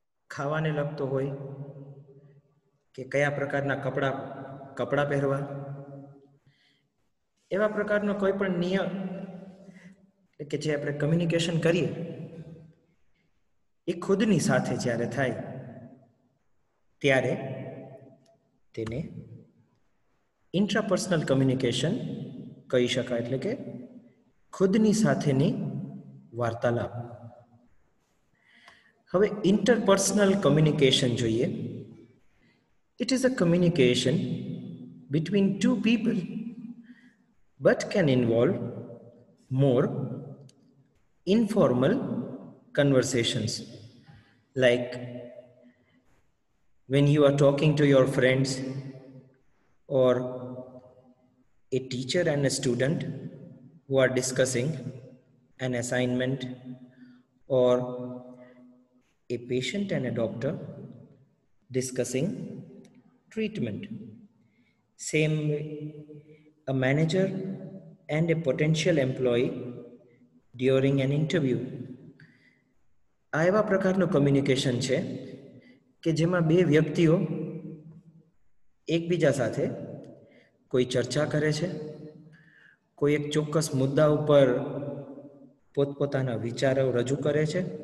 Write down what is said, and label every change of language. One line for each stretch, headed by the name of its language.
Gujarati: ખાવાને લગતો હોય કે કયા પ્રકારના કપડાં પહેરવા, એવા પ્રકારનો કોઈ પણ નિયમ કે જે આપણે કમ્યુનિકેશન કરીએ, એ ખુદની સાથે જ્યારે થાય ત્યારે તેને ઇન્ટ્રાપર્સનલ કમ્યુનિકેશન કહી શકાય, એટલે કે ખુદની સાથેની વાર્તાલાપ. હવે ઇન્ટરપર્સનલ કમ્યુનિકેશન જોઈએ.
English: It is a communication between two people but can involve more informal conversations, like when you are talking to your friends or a teacher and a student who are discussing an assignment, or a patient and a doctor discussing treatment. Same way, a manager and a potential employee during an interview.
Gujarati: આ એવા પ્રકારનું communication છે કે જેમાં બે વ્યક્તિઓ એકબીજા સાથે કોઈ ચર્ચા કરે છે, કોઈ એક ચોક્કસ મુદ્દા ઉપર પોતપોતાના વિચારો રજૂ કરે છે.